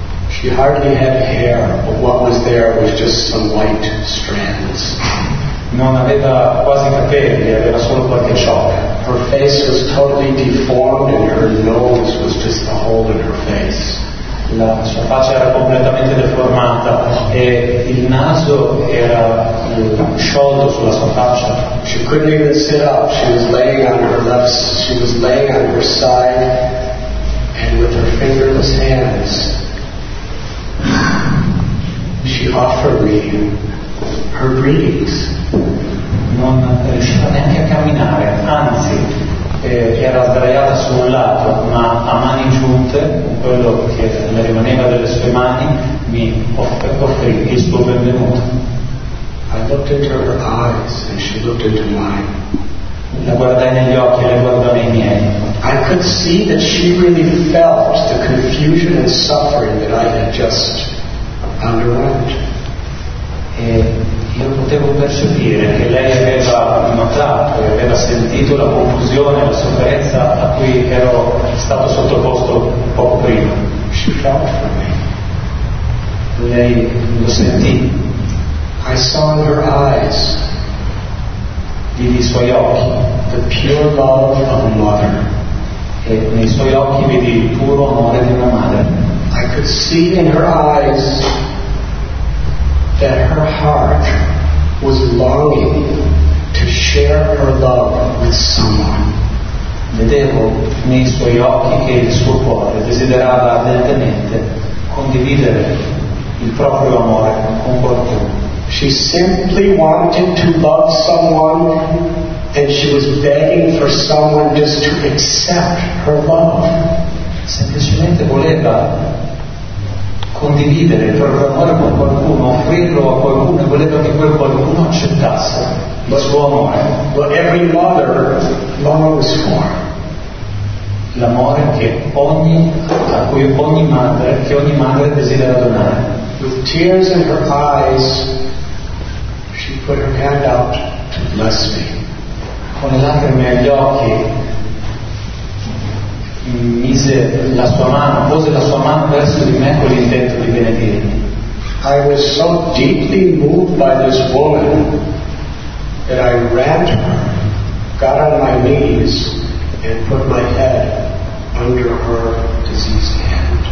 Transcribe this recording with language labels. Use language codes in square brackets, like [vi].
[en] She hardly had hair, but what was there was just some white strands. [it] Non aveva quasi capelli, aveva solo qualche ciocca. [en] Her face was totally deformed and her nose was just a hole in her face. [it] La sua faccia era completamente deformata e il naso era sciolto sulla sua faccia. [en] She couldn't even sit up. She was laying on her left. She was laying on her side and with her fingerless hands she offered me her greetings. [it] Non riusciva neanche a camminare, anzi era sdraiata su un lato, ma a mani giunte, quello che le rimaneva delle sue mani, mi offrì il suo benvenuto. [en] I looked into her eyes and she looked into mine. [it] La guardai negli occhi e le guardò nei miei. [en] I could see that she really felt the confusion and suffering that I had just underwent. [it] Io potevo percepire che lei aveva notato e aveva sentito la confusione e la sofferenza a cui ero stato sottoposto poco prima. [en] She felt for me. [it] Lei lo sentì. [en] I saw in her eyes. [it] Vidi i suoi occhi. [en] The pure love of a mother. [it] E nei suoi occhi vidi il puro amore di una madre. [en] I could see in her eyes that her heart was longing to share her love with someone. [it] Vedevo nei suoi occhi che il suo cuore desiderava ardentemente condividere il proprio amore con qualcuno. [en] She simply wanted to love someone and she was begging for someone just to accept her love. [it] Semplicemente voleva condividere il proprio amore con qualcuno, offrirlo a qualcuno, e voleva che quel qualcuno accettasse il suo amore. [en] What every mother longs for. [it] L'amore che ogni madre desidera donare. [en] With tears in her eyes, she put her hand out to bless me. [it] Con le lacrime agli occhi mise la sua mano, pose la sua mano verso di me con l'intento di benedirmi. [en] I was so deeply moved by this woman that I ran to her, got on my knees, and put my head under her diseased hand.